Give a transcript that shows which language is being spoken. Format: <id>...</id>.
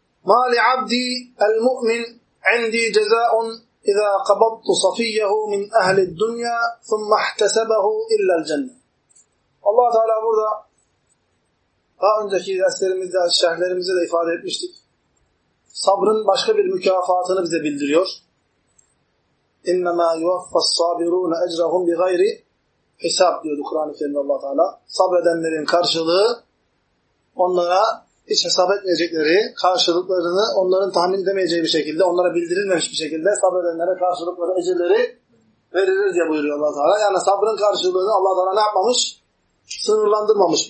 <ar>مَا لِعَبْدِي الْمُؤْمِنِ عِنْدِي جَزَاءٌ اِذَا قَبَضْتُ صَفِيَّهُ مِنْ اَهْلِ الدُّنْيَا ثُمَّ اَحْتَسَبَهُ اِلَّا الْجَنَّةِ</ar> <tr>Allah Teala burada daha önceki derslerimizde, şerhlerimizde de ifade etmiştik. Sabrın başka bir mükafatını bize bildiriyor.</tr> <ar>اِنَّمَا يُوَفَّ الصَّابِرُونَ اَجْرَهُمْ بِغَيْرِ حِسَابٍ</ar> <tr>diyordu Kur'an-ı Kerim'de Allah Teala. Sabredenlerin karşılığı onlara hiç hesap etmeyecekleri, karşılıklarını onların tahmin edemeyeceği bir şekilde, onlara bildirilmemiş bir şekilde sabredenlere karşılıkları, ecirleri verilir diye buyuruyor Allah-u Teala. Yani sabrın karşılığını Allah-u Teala ne yapmamış? Sınırlandırmamış.</tr>